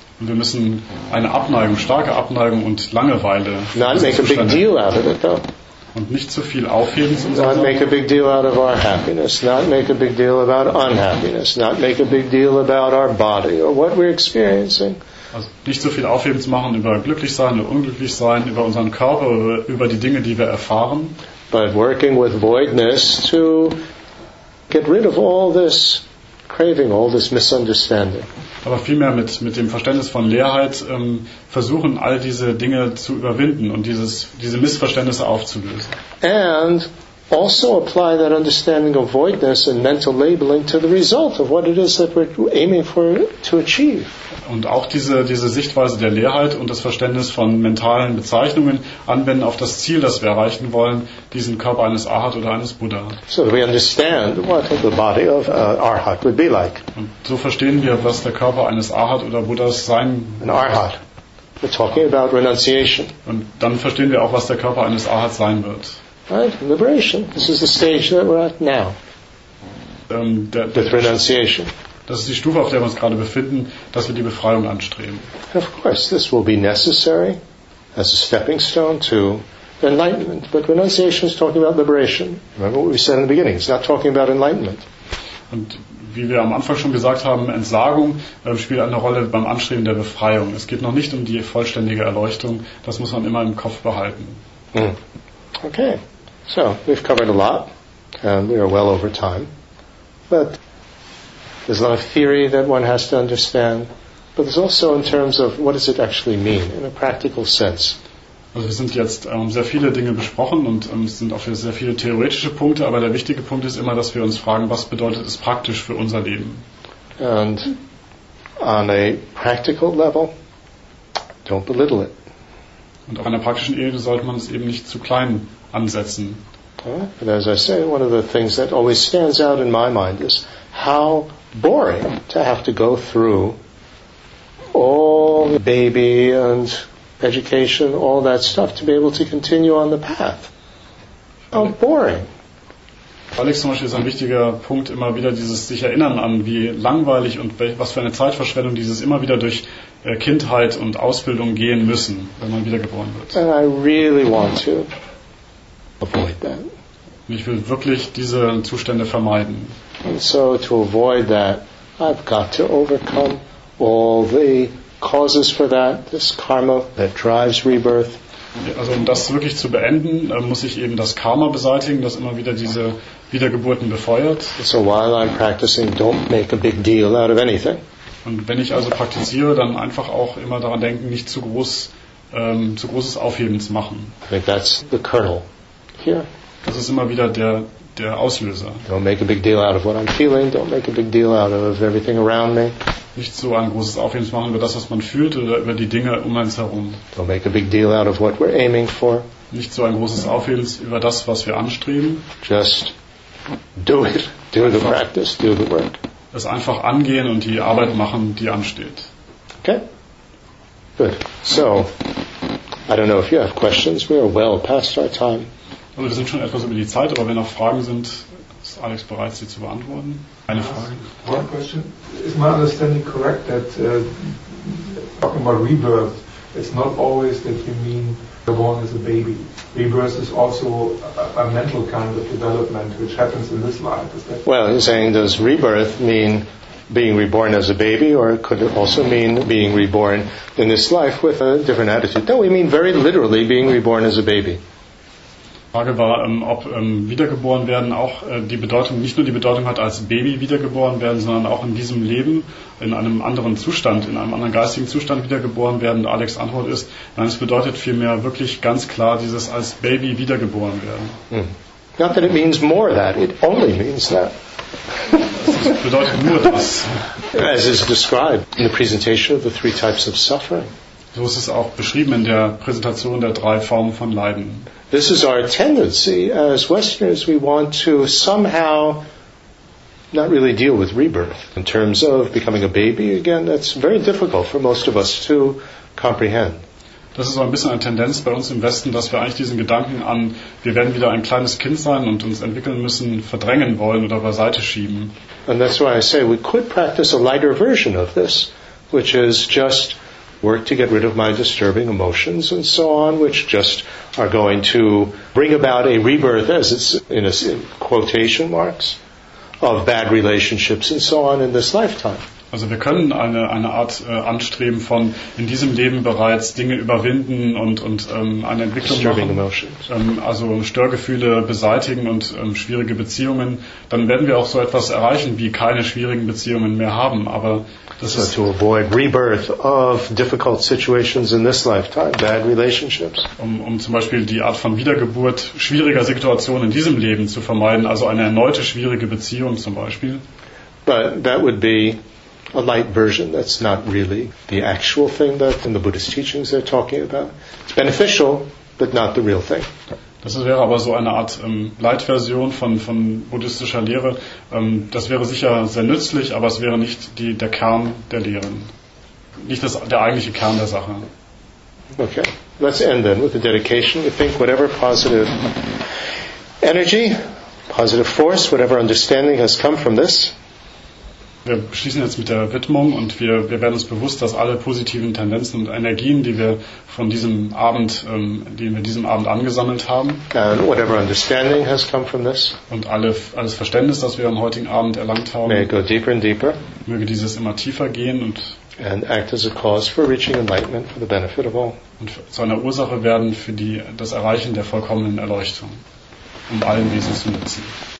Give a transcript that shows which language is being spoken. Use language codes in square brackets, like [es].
[de] Und wir müssen eine Abneigung, starke Abneigung und Langeweile. [en] Not make a big deal out of it, though. [de] Und nicht zu viel aufheben. [en] Not make a big deal out of our happiness. Not make a big deal about unhappiness. Not make a big deal about our body or what we're experiencing. [de] Also nicht so viel aufheben zu machen über glücklich sein oder unglücklich sein, über unseren Körper, über die Dinge, die wir erfahren. [en] But working with voidness to get rid of all this craving, all this misunderstanding. [de] Aber vielmehr mit dem Verständnis von Leerheit versuchen, all diese Dinge zu überwinden und diese Missverständnisse aufzulösen. [en] And also apply that understanding of voidness and mental labeling to the result of what it is that we're aiming for to achieve. [de] Und auch diese Sichtweise der Leerheit und das Verständnis von mentalen Bezeichnungen anwenden auf das Ziel, das wir erreichen wollen, diesen Körper eines Arhat oder eines Buddha. [en] So we understand what the body of Arhat would be like. [de] Und so verstehen wir, was der Körper eines Arhat oder Buddhas sein [en] an Arhat. We're talking about renunciation. [de] Und dann verstehen wir auch, was der Körper eines Arhat sein wird. [en] Right? Liberation. This is the stage that we're at now. With renunciation. [de] Das ist die Stufe, auf der wir uns gerade befinden, dass wir die Befreiung anstreben. [en] Of course, this will be necessary as a stepping stone to enlightenment. But renunciation is talking about liberation. Remember what we said in the beginning. It's not talking about enlightenment. [de] Und wie wir am Anfang schon gesagt haben, Entsagung spielt eine Rolle beim Anstreben der Befreiung. Es geht noch nicht um die vollständige Erleuchtung. Das muss man immer im Kopf behalten. [en] Okay, so we've covered a lot and we are well over time. But there's a lot of theory that one has to understand, but there's also in terms of what does it actually mean in a practical sense. [de] Also wir sind jetzt sehr viele Dinge besprochen und es sind auch sehr viele theoretische Punkte, aber der wichtige Punkt ist immer, dass wir uns fragen, was bedeutet es praktisch für unser Leben? [en] And on a practical level, don't belittle it. [de] Und auf einer praktischen Ebene sollte man es eben nicht zu klein ansetzen. [en] But as I say, one of the things that always stands out in my mind is how boring to have to go through all the baby and education, all that stuff, to be able to continue on the path. How boring. [de] Alex zum Beispiel ist ein wichtiger Punkt, immer wieder dieses sich erinnern an, wie langweilig und was für eine Zeitverschwendung dieses immer wieder durch Kindheit und Ausbildung gehen müssen, wenn man wiedergeboren wird. [en] And I really want to avoid that. [de] Und ich will wirklich diese Zustände vermeiden. [en] And so to avoid that, I've got to overcome all the causes for that, this karma that drives rebirth. [de] Also um das wirklich zu beenden, muss ich eben das Karma beseitigen, das immer wieder diese Wiedergeburten befeuert. [en] So while I'm practicing, don't make a big deal out of anything. [de] Und wenn ich also praktiziere, dann einfach auch immer daran denken, nicht zu groß, zu großes Aufheben zu machen. [en] I think that's the kernel here. [de] Das ist immer wieder der Auslöser. [en] Don't make a big deal out of what I'm feeling. Don't make a big deal out of everything around me. [de] Nicht so ein großes Aufheben machen über das, was man fühlt oder über die Dinge um uns herum. [en] Don't make a big deal out of what we're aiming for. [de] Nicht so ein großes Aufheben über das, was wir anstreben. [en] Just do it. Do [de] einfach [en] the practice. Do the work. [de] Es einfach angehen und die Arbeit machen, die ansteht. [en] Okay. Good. So, I don't know if you have questions. We are well past our time. [de] Also wir sind schon etwas über die Zeit, aber wenn noch Fragen sind, ist Alex bereit, sie zu beantworten. Eine Frage? [en] One question. Is my understanding correct that talking about rebirth, it's not always that you mean the one is a baby. Rebirth is also a mental kind of development which happens in this life. Is that well, you're saying does rebirth mean being reborn as a baby, or could it also mean being reborn in this life with a different attitude? No, we mean very literally being reborn as a baby. [de] Die Frage war, ob wiedergeboren werden auch die Bedeutung, nicht nur die Bedeutung hat, als Baby wiedergeboren werden, sondern auch in diesem Leben, in einem anderen Zustand, in einem anderen geistigen Zustand wiedergeboren werden. Alex' Antwort ist, nein, es bedeutet vielmehr wirklich ganz klar dieses als Baby wiedergeboren werden. Mm. [en] Not that it means more that, it only means that. [de] Es bedeutet nur das. [en] As is described in the presentation of the three types of suffering. [de] So ist es auch beschrieben in der Präsentation der drei Formen von Leiden. [en] This is our tendency as Westerners, we want to somehow not really deal with rebirth in terms of becoming a baby again. That's very difficult for most of us to comprehend. [de] Das ist so ein bisschen eine Tendenz bei uns im Westen, dass wir eigentlich diesen Gedanken an, wir werden wieder ein kleines Kind sein und uns entwickeln müssen, verdrängen wollen oder beiseite schieben. [en] And that's why I say we could practice a lighter version of this, which is just work to get rid of my disturbing emotions and so on, which just are going to bring about a rebirth, as it's in quotation marks, of bad relationships and so on in this lifetime. [de] Also wir können eine Art anstreben von in diesem Leben bereits Dinge überwinden und eine Entwicklung [en] disturbing [de] machen, [en] emotions. [de] Also Störgefühle beseitigen und schwierige Beziehungen, dann werden wir auch so etwas erreichen, wie keine schwierigen Beziehungen mehr haben, aber das [en] so to avoid rebirth of difficult situations in this lifetime, bad relationships. [de] Um zum Beispiel die Art von Wiedergeburt schwieriger Situationen in diesem Leben zu vermeiden, also eine erneute schwierige Beziehung zum Beispiel. [en] But that would be a light version. That's not really the actual thing that in the Buddhist teachings they're talking about. It's beneficial, but not the real thing. [de] Das wäre aber so eine Art Light-Version von buddhistischer Lehre. Das wäre sicher sehr nützlich, aber es wäre nicht der Kern der Lehren. Nicht der eigentliche Kern der Sache. [en] Okay, let's end then with a dedication. You think whatever positive energy, positive force, whatever understanding has come from this. [de] Wir schließen jetzt mit der Widmung und wir werden uns bewusst, dass alle positiven Tendenzen und Energien, die wir von diesem Abend, die wir diesem Abend angesammelt haben, [en] and whatever understanding has come from this, [de] und alles Verständnis, das wir am heutigen Abend erlangt haben, [en] may it go deeper and deeper, [de] möge dieses immer tiefer gehen [en] and act as a cause for reaching enlightenment for the benefit of all, und zu einer Ursache werden für das Erreichen der vollkommenen Erleuchtung, um allen Wesen zu nutzen.